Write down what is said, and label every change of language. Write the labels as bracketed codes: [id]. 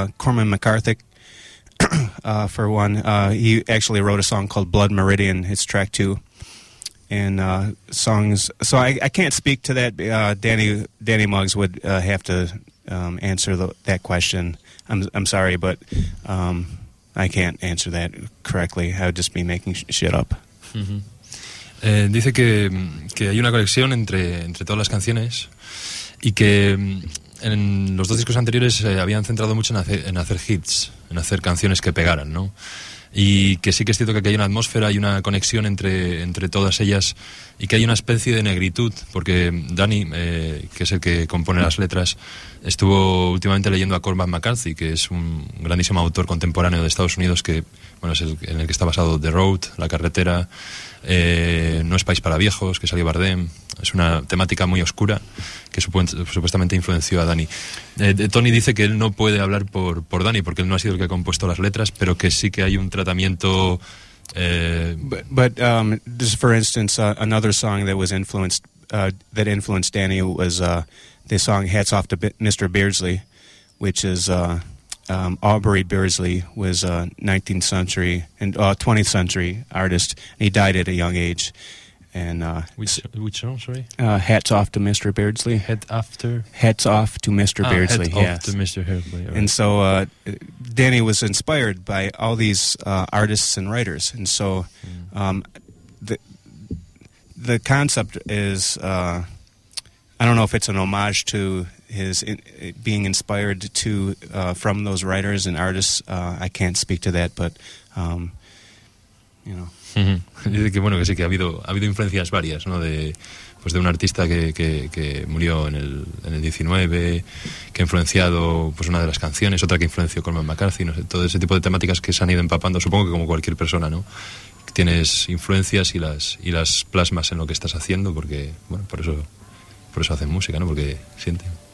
[en] Cormac McCarthy, for one, he actually wrote a song called Blood Meridian. It's track two. And songs, so I can't speak to that. Danny Muggs would have to answer that question. I'm sorry, but I can't answer that correctly. I would just be making shit up. Mm-hmm. [es] Dice que hay una conexión entre todas las canciones y que en los dos discos anteriores habían centrado mucho en hacer hits, en hacer canciones que pegaran, ¿no? Y que sí que es cierto que hay una atmósfera y una conexión entre todas ellas, y que hay una especie de negritud, porque Danny, que es el que compone las letras, estuvo últimamente leyendo a Cormac McCarthy, que es un grandísimo autor contemporáneo de Estados Unidos, que bueno, es en el que está basado The Road, La Carretera, No es País para Viejos, que salió Bardem. Es una temática muy oscura que supuestamente influenció a Danny. Tony dice que él no puede hablar por Danny, porque él no ha sido el que ha compuesto las letras, pero que sí que hay un tratamiento [en] But this is, for instance, another song that was influenced that influenced Danny was the song "Hats Off to Mr. Beardsley," which is Aubrey Beardsley was a 19th century and 20th century artist. And he died at a young age. And which song, sorry? Hats off to Mr. Beardsley. Hats off to Mr. Beardsley. Hats off to Mr. Beardsley. Right. And so Danny was inspired by all these artists and writers. And so the concept is, I don't know if it's an homage to his being inspired to from those writers and artists. I can't speak to that, but, you know. [es] Dice que bueno, que sí, que ha habido influencias varias, ¿no? De un artista que murió en el 19, que ha influenciado pues una de las canciones, otra que influenció Cormac McCarthy, no sé, todo ese tipo de temáticas que se han ido empapando, supongo que como cualquier persona, ¿no? Tienes influencias y las plasmas en lo que estás haciendo, porque bueno, por eso hacen música, ¿no? Porque sienten.